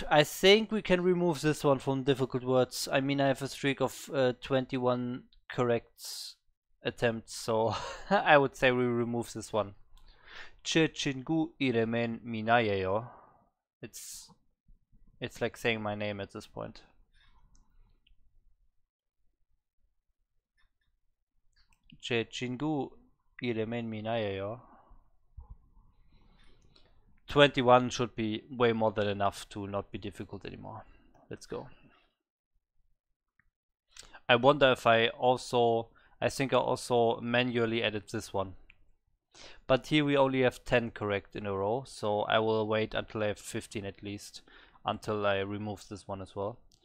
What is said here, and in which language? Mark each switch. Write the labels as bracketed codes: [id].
[en] I think we can remove this one from difficult words. I mean, I have a streak of 21 correct attempts, so I would say we remove this one. [ko] 제 친구 이름은 미나예요. [en] It's like saying my name at this point. [ko] 제 친구 이름은 미나예요. [en] 21 should be way more than enough to not be difficult anymore. Let's go. I wonder if I think I also manually edit this one. But here we only have 10 correct in a row, so I will wait until I have 15 at least, until I remove this one as well.